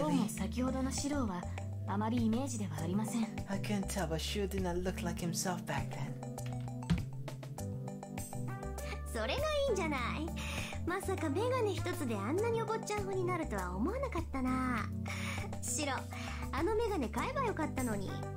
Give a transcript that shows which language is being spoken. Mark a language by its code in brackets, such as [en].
[ja] どうも先ほどのシローはあまりイメージではありません。 [en] I couldn't tell, but Shiro did not look like himself back then. [ja] それがいいんじゃない。まさかメガネ一つであんなにお坊ちゃん風になるとは思わなかったな。シロ、あのメガネ買えばよかったのに。